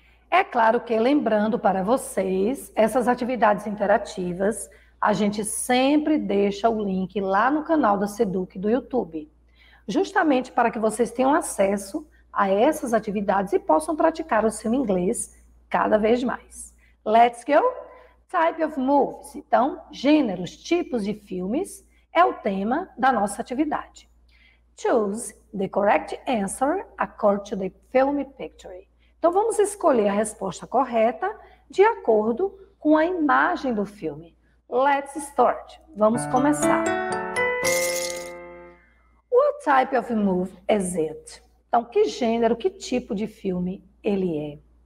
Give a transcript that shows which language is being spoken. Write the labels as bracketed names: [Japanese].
[Portuguese] É claro que, lembrando para vocês, essas atividades interativas, a gente sempre deixa o link lá no canal da Seduc do YouTube, justamente para que vocês tenham acesso a essas atividades e possam praticar o seu inglês cada vez mais. [English] Let's go! Type of movies, [Portuguese] então, gêneros, tipos de filmes, é o tema da nossa atividade. [English] Choose the correct answer according to the film picture. [Portuguese] Então, vamos escolher a resposta correta de acordo com a imagem do filme. [English] Let's start. [Portuguese] Vamos começar. [English] What type of movie is it? [Portuguese] Então, que gênero, que tipo de filme ele é?